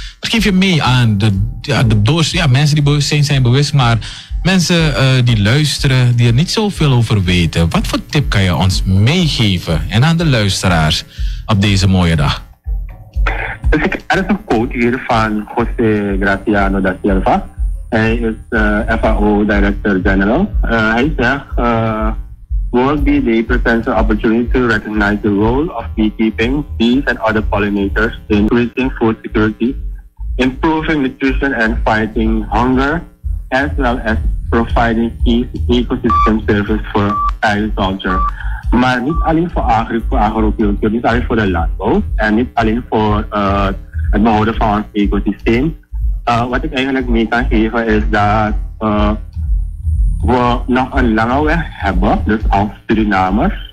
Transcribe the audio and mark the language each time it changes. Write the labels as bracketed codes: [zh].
[nl] Wat geef je mee aan mensen die bewust zijn bewust, maar mensen die luisteren, die er niet zoveel over weten. Wat voor tip kan je ons meegeven en aan de luisteraars op deze mooie dag? Dus er is een quote hier van José Graciano da Silva. Hij is FAO Director General. Hij zegt, [en] World Bee Day presents an opportunity to recognize the role of beekeeping, bees and other pollinators in increasing food security, improving nutrition and fighting hunger, as well as providing key ecosystem services for agriculture. [nl] Maar niet alleen voor agrocultuur, niet alleen voor de landbouw en niet alleen voor het behouden van ons ecosysteem. Wat ik eigenlijk mee kan geven is dat we nog een lange weg hebben, dus als Surinamers.